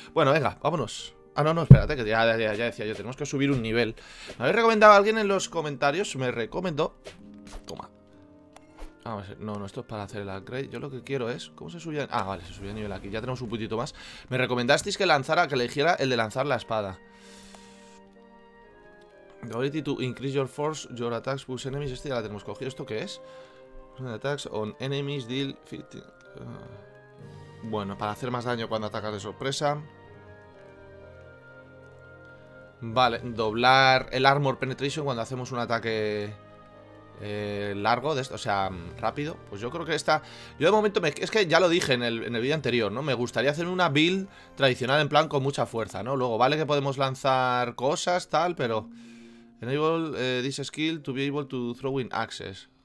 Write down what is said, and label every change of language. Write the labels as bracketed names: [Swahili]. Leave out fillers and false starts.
[Spanish] Bueno, venga, vámonos. Ah, no, no, espérate, que ya decía yo. Tenemos que subir un nivel. ¿Me habéis recomendado a alguien en los comentarios? Me recomendó. Toma. Vamos a ver. No, esto es para hacer el upgrade. Yo lo que quiero es... ¿Cómo se subía? Ah, vale, se subía a nivel aquí. Ya tenemos un puntito más. Me recomendasteis que lanzara, que eligiera el de lanzar la espada. [English] The ability to increase your force, your attacks push enemies. [Spanish] Este ya la tenemos cogido. ¿Esto qué es? [English] Attacks on enemies deal 15. [Spanish] Bueno, para hacer más daño cuando atacas de sorpresa. Vale, doblar el armor penetration cuando hacemos un ataque... largo, de esto, o sea, rápido. Pues yo creo que esta... Yo de momento, es que ya lo dije en el vídeo anterior, ¿no? Me gustaría hacer una build tradicional en plan con mucha fuerza, ¿no? Luego, vale que podemos lanzar cosas, tal, pero... [English] Enable this skill to be able to throw in axes.